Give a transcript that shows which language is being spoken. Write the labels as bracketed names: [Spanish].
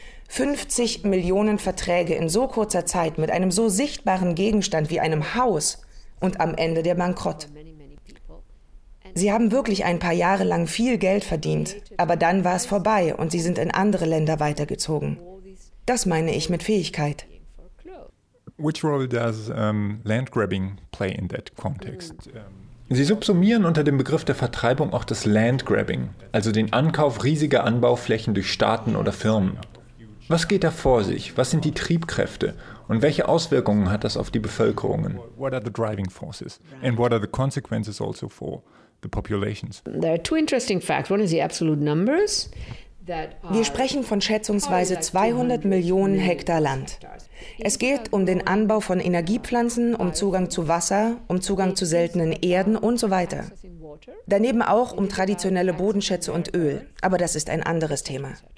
[German] 50 Millionen Verträge in so kurzer Zeit mit einem so sichtbaren Gegenstand wie einem Haus und am Ende der Bankrott. Sie haben wirklich ein paar Jahre lang viel Geld verdient, aber dann war es vorbei und sie sind in andere Länder weitergezogen. Das meine ich mit Fähigkeit. [English] Which role does land-grabbing play in that context? [German] Sie subsumieren unter dem Begriff der Vertreibung auch das Landgrabbing, also den Ankauf riesiger Anbauflächen durch Staaten oder Firmen. Was geht da vor sich? Was sind die Triebkräfte? Und welche Auswirkungen hat das auf die Bevölkerungen? [English] What are the driving forces? And what are the consequences also for the populations? There are two interesting facts. One is the absolute numbers. [German] Wir sprechen von schätzungsweise 200 Millionen Hektar Land. Es geht um den Anbau von Energiepflanzen, um Zugang zu Wasser, um Zugang zu seltenen Erden und so weiter. Daneben auch um traditionelle Bodenschätze und Öl, aber das ist ein anderes Thema.